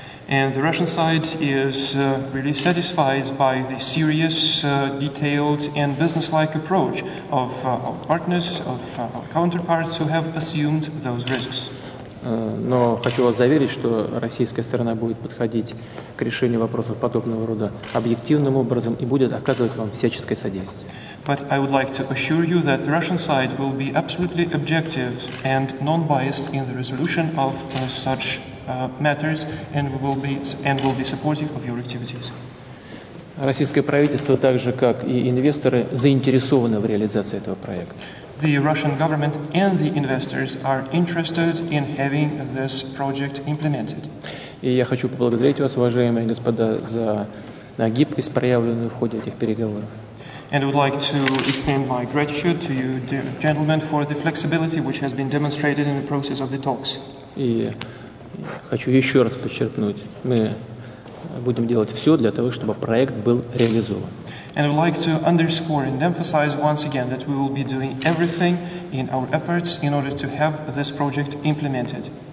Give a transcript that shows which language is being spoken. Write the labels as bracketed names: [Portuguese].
[English] And the Russian side is really satisfied by the serious, detailed, and businesslike approach of our partners, of our counterparts who have assumed those risks. [Russian] Но хочу вас заверить, что российская сторона будет подходить к решению вопросов подобного рода объективным образом и будет оказывать вам всяческое содействие. [English] But I would like to assure you that the Russian side will be absolutely objective and non-biased in the resolution of such matters, and will be supportive of your activities. [Russian] Российское правительство, так же как и инвесторы, заинтересовано в реализации этого проекта. [English] The Russian government and the investors are interested in having this project implemented. [Russian] И я хочу поблагодарить вас, уважаемые господа, за гибкость, проявленную в ходе этих переговоров. [English] And I would like to extend my gratitude to you, dear gentlemen, for the flexibility which has been demonstrated in the process of the talks. [Russian] И хочу еще раз подчеркнуть, мы будем делать все для того, чтобы проект был реализован. [English] And I would like to underscore and emphasize once again that we will be doing everything in our efforts in order to have this project implemented.